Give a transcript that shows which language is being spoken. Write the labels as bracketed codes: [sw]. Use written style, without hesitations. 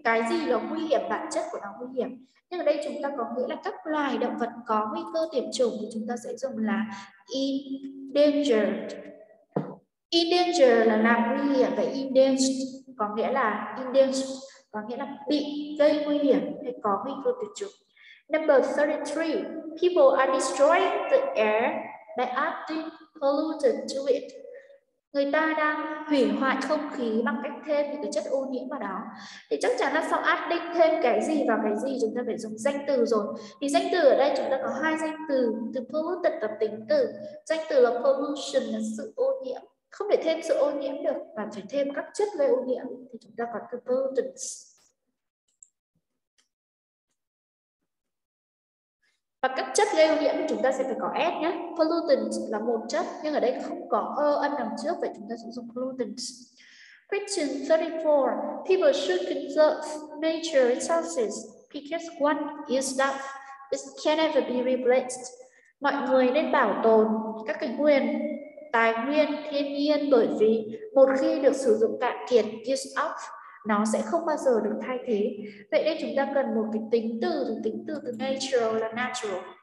[vi] Cái gì là nguy hiểm, bản chất của nó nguy hiểm. Nhưng ở đây chúng ta có nghĩa là các loài động vật có nguy cơ tuyệt chủng thì chúng ta sẽ dùng là endangered. Endangered là làm nguy hiểm, và endangered có nghĩa là endangered, có nghĩa là bị gây nguy hiểm hay có nguy cơ tuyệt chủng. [en] Number 33. People are destroying the air by adding pollutant to it. [vi] Người ta đang hủy hoại không khí bằng cách thêm những cái chất ô nhiễm vào đó. Thì chắc chắn là sau adding thêm cái gì vào cái gì, chúng ta phải dùng danh từ rồi. Thì danh từ ở đây chúng ta có hai danh từ, từ pollutant và tính từ. Danh từ là pollution, là sự ô nhiễm. Không thể thêm sự ô nhiễm được và phải thêm các chất gây ô nhiễm thì chúng ta có từ pollutants. Và các chất gây ô nhiễm chúng ta sẽ phải có S nhé. Pollutants là một chất, nhưng ở đây không có ơ âm đằng trước, vậy chúng ta sẽ dùng pollutants. [en] Question 34. People should conserve nature resources because one is enough. It can never be replaced. [vi] Mọi người nên bảo tồn các cái nguyên tài nguyên thiên nhiên, bởi vì một khi được sử dụng cạn kiệt, use up, nó sẽ không bao giờ được thay thế. Vậy đây chúng ta cần một cái tính từ từ natural là natural.